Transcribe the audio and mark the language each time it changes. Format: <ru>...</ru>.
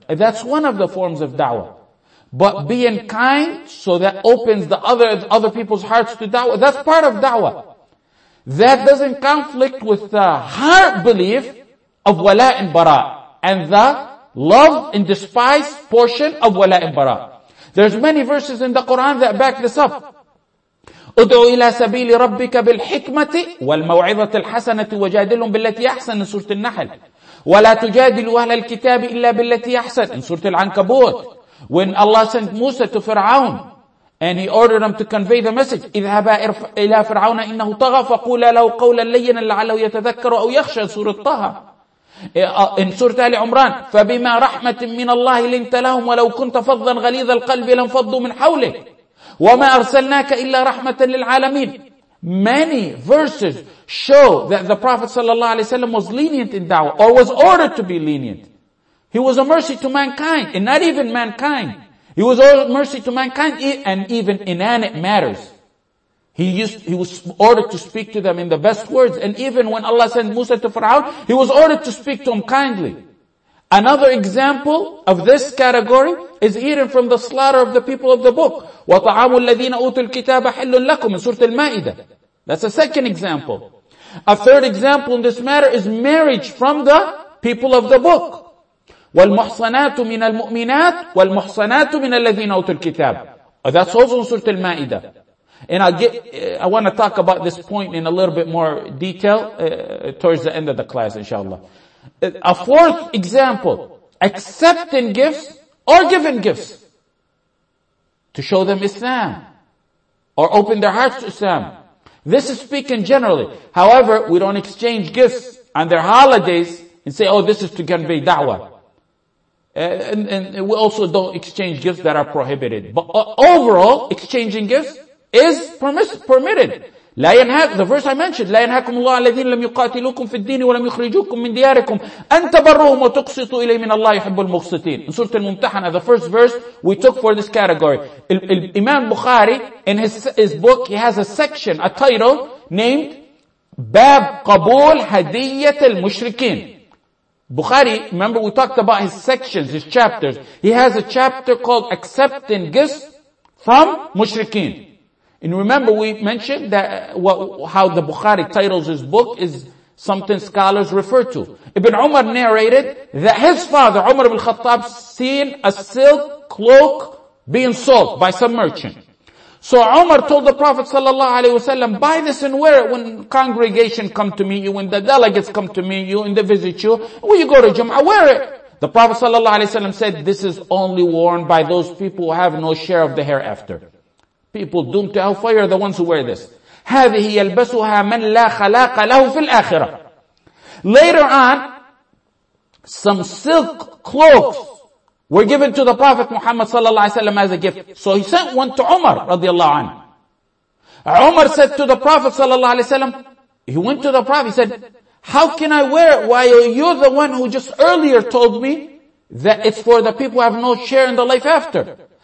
<en>And that's one of the forms of da'wah. But being kind so that opens the other people's hearts to da'wah, that's part of da'wah. That doesn't conflict with the heart belief of wala and bara. And the love and despise portion of wala and bara. There's many verses in the Quran that back this up.</en> <ar>ادعوا إلى سبيل ربك بالحكمة والموعظة الحسنة وجادلهم بالتي أحسن من سورة النحل ولا تجادلوا أهل الكتاب إلا بالتي أحسن من سورة العنكبوت.</ar> <en>When Allah sent Musa to Fir'aun and he ordered him to convey the message,</en> <ar>اذهبا إلى فرعون إنه طغى فقولا له قولا لينا لعله يتذكر أو يخشى. سورة طه.</ar> <en>In Surah Al-Imran,</en> <ar>فَبِمَا رَحْمَةٍ مِّنَ اللَّهِ لِنْتَ لَهُمْ وَلَوْ كُنْتَ فَضًّا غَلِيظَ الْقَلْبِ لَنْفَضُّوا مِنْ حَوْلِكَ وَمَا أَرْسَلْنَاكَ إِلَّا رَحْمَةً لِلْعَالَمِينَ.</ar> <en>Many verses show that the Prophet sallallahu alaihi wasallam was lenient in da'wah, or was ordered to be lenient. He was a mercy to mankind, and not even mankind. He was a mercy to mankind, and even inanimate matters. He was ordered to speak to them in the best words. And even when Allah sent Musa to Fir'aun, he was ordered to speak to him kindly. Another example of this category is hidden from the slaughter of the people of the book.</en> <ar>وَطَعَامُ الَّذِينَ أُوتُوا الْكِتَابَ حِلٌّ لَكُمْ</ar> <en>in Surah Al-Ma'idah. That's a second example. A third example in this matter is marriage from the people of the book.</en> <ar>وَالْمُحْصَنَاتُ مِنَ الْمُؤْمِنَاتُ وَالْمُحْصَنَاتُ مِنَ الَّذِينَ أُوتُوا الْكِتَابَ.</ar> <en>That's also in Surah Al-Ma'idah. And I want to talk about this point in a little bit more detail towards the end of the class, inshallah. A fourth example, accepting gifts or giving gifts to show them Islam or open their hearts to Islam. This is speaking generally. However, we don't exchange gifts on their holidays and say, oh, this is to convey da'wah. And we also don't exchange gifts that are prohibited. But overall, exchanging gifts is permitted.</en> <ar>لا ينهاك,</ar> <en>the verse I mentioned,</en> <ar>لا ينهاكم الله الذين لم يقاتلوكم في الدين ولم يخرجوكم من دياركم أن تبروهم وتقسطوا إليه من الله يحب المقسطين.</ar> <en>In Surah Al-Mumtahana, the first verse we took for this category. Imam Bukhari, in his book, he has a section, a title, named</en> <ar>باب قبول هدية المشركين.</ar> <en>Bukhari, remember we talked about his sections, his chapters. He has a chapter called Accepting Gifts from Mushrikeen. And remember, we mentioned that how the Bukhari titles his book is something scholars refer to. Ibn Umar narrated that his father, Umar ibn Khattab, seen a silk cloak being sold by some merchant. So Umar told the Prophet sallallahu alaihi wasallam, buy this and wear it when congregation come to meet you, when the delegates come to meet you and they visit you. When you go to Jum'ah, wear it. The Prophet sallallahu alaihi wasallam said, this is only worn by those people who have no share of the hereafter. People doomed to hellfire are the ones who wear this.</en> <ar>هذه يلبسها من لا خلاق له في الآخرة.</ar> <en>Later on, some silk cloaks were given to the Prophet Muhammad sallallahu alaihi wasallam as a gift. So he sent one to Umar radiallahu anhu. Umar said to the Prophet sallallahu alaihi wasallam, he went to the Prophet, he said, how can I wear it while you're the one who just earlier told me that it's for the people who have no share in the life after?</en>